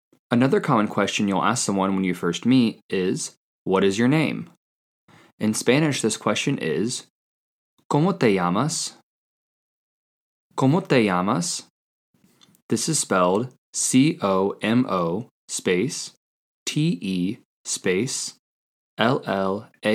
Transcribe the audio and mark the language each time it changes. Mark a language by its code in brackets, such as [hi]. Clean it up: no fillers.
[en] Another common question you'll ask someone when you first meet is, What is your name? In Spanish, this question is, [es] ¿Cómo te llamas? ¿Cómo te llamas? [en] This is spelled C-O-M-O space T-E space L-L-A-M-A-S.